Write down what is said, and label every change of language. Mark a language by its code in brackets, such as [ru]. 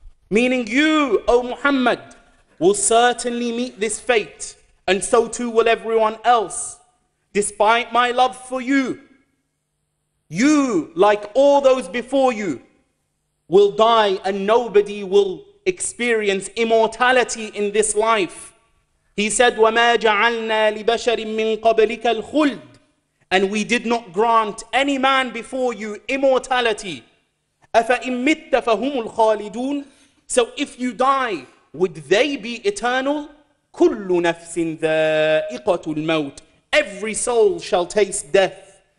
[en] Meaning you, O Muhammad, will certainly meet this fate, and so too will everyone else. Despite my love for you, you, like all those before you, will die, and nobody will experience immortality in this life. [ar] He said, وَمَا جَعَلْنَا لِبَشَرٍ مِّن قَبْلِكَ الْخُلْدِ. [en] And we did not grant any man before you immortality. [ar] أَفَإِن مِتَّ فَهُمُ الْخَالِدُونَ. [en] So if you die, would they be eternal? كُلُّ نَفْسٍ ذَائِقَةُ الْمَوْتِ. Every soul shall taste death.